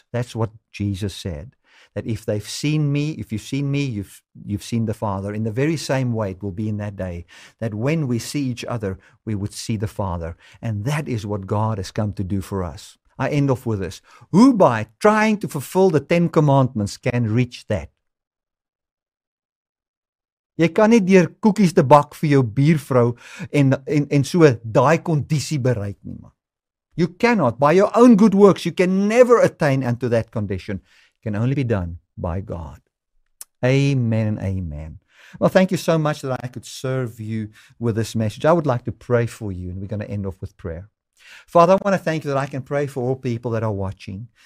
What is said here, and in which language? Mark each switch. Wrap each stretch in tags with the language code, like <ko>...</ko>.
<en>That's what Jesus said, that if they've seen me, if you've seen me, you've seen the Father. In the very same way, it will be in that day, that when we see each other, we would see the Father. And that is what God has come to do for us. I end off with this. Who by trying to fulfill the Ten Commandments can reach that?</en> <af>Jy kan nie deur koekies te bak vir jou buurvrou en so daai kondisie bereik nie, man.</af> <en>You cannot, by your own good works, you can never attain unto that condition. It can only be done by God. Amen and amen. Well, thank you so much that I could serve you with this message. I would like to pray for you, and we're going to end off with prayer. Father, I want to thank you that I can pray for all people that are watching.</en>